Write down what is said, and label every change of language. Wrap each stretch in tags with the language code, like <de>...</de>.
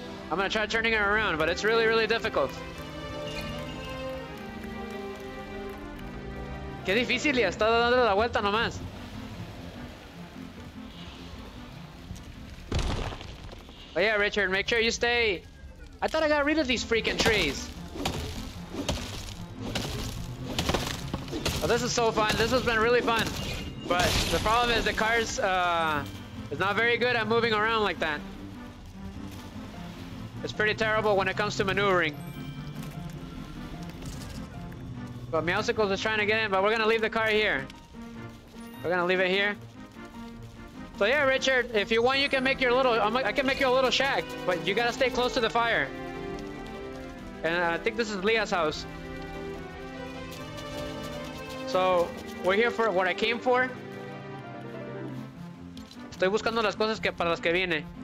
<en>I'm gonna try turning it around, but it's really, really difficult.</en> <es>Qué difícil, ya está dando la vuelta nomás.</es> <en>Oh yeah, Richard, make sure you stay. I thought I got rid of these freaking trees. Oh, this is so fun. This has been really fun. But the problem is the car's is not very good at moving around like that. It's pretty terrible when it comes to maneuvering. But MEOWSCLES is trying to get in, but we're gonna leave the car here. We're gonna leave it here. So yeah, Richard, if you want, you can make your little... I can make you a little shack, but you gotta stay close to the fire. And I think this is Leah's house. So, we're here for what I came for.</en> <es>Estoy buscando las cosas que para las que vine.</es>